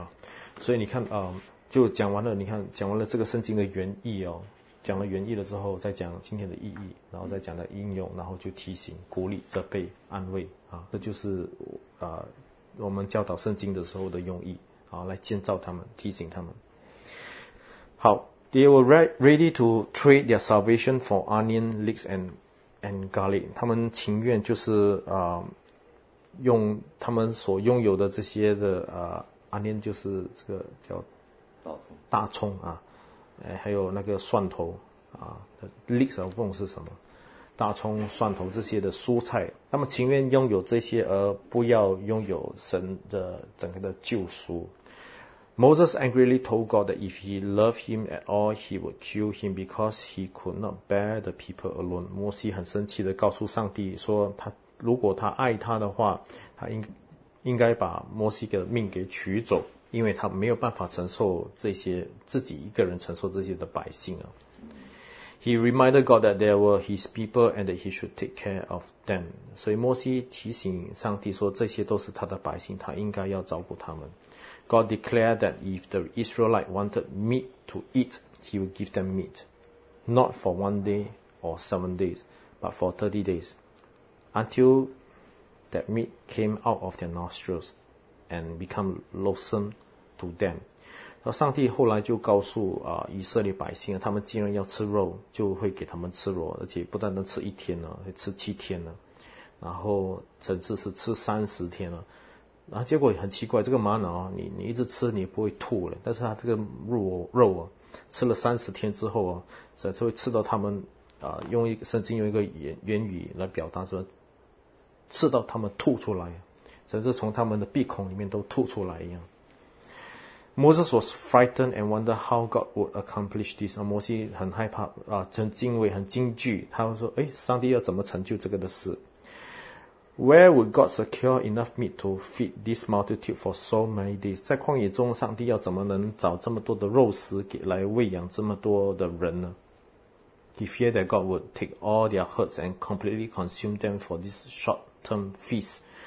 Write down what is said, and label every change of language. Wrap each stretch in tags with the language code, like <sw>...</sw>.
<zh>啊，所以你看啊。就讲完了，你看讲完了这个圣经的原意哦，讲了原意了之后，再讲今天的意义，然后再讲的应用，然后就提醒、鼓励、责备、安慰啊，这就是我们教导圣经的时候的用意啊，来建造他们，提醒他们。</zh> <en>好 ，they were ready to trade their salvation for onion, leeks and garlic。</en> <zh>他们情愿就是用他们所拥有的这些的onion 就是这个叫。大葱啊，还有那个蒜头啊 ，leeks 和凤是什么？大葱、蒜头这些的蔬菜，他们情愿拥有这些，而不要拥有神的整个的救赎。</zh> <en>Moses angrily told God that if he loved him at all, he would kill him because he could not bear the people alone.</en> <zh>摩西很生气的告诉上帝说，他如果他爱他的话，他应该把摩西的命给取走。因为他没有办法承受这些自己一个人承受这些的百姓啊。</zh> <en>He reminded God that there were his people and that he should take care of them.</en> <zh>所以摩西提醒上帝说，这些都是他的百姓，他应该要照顾他们。</zh> <en>God declared that if the Israelite wanted meat to eat, he would give them meat, not for one day or seven days, but for 30 days, until that meat came out of their nostrils. And become loathsome to them.</en> <zh>上帝后来就告诉以色列百姓，他们既然要吃肉，就会给他们吃肉，而且不单单吃一天了，会吃七天了，然后甚至是吃30天了。然后结果很奇怪，这个玛瑙啊，你一直吃你也不会吐了，但是他这个肉啊，吃了30天之后啊，甚至会吃到他们用一个圣经用一个原语来表达说，吃到他们吐出来。甚至从他们的鼻孔里面都吐出来一样。</zh> <en>Moses was frightened and wondered how God would accomplish this.</en> <zh>摩西很害怕啊，很敬畏，很惊惧。他说：“哎，上帝要怎么成就这个的事</zh> <en>？Where would God secure enough meat to feed this multitude for so many days？</en> <zh>在旷野中，上帝要怎么能找这么多的肉食给来喂养这么多的人呢 ？</zh> <en>He feared that God would take all their herds and completely consume them for this short-term feast.</en>